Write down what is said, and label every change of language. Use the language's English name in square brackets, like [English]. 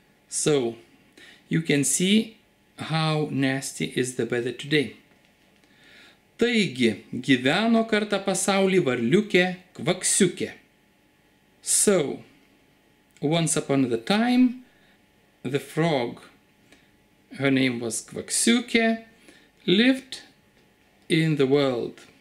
[English] So, you can see how nasty is the weather today. [Lithuanian] Taigi, gyveno kartą pasaulį varliukė kvaksiukė. [English] So, once upon the time, the frog, her name was Kvaksiukė, lived in the world.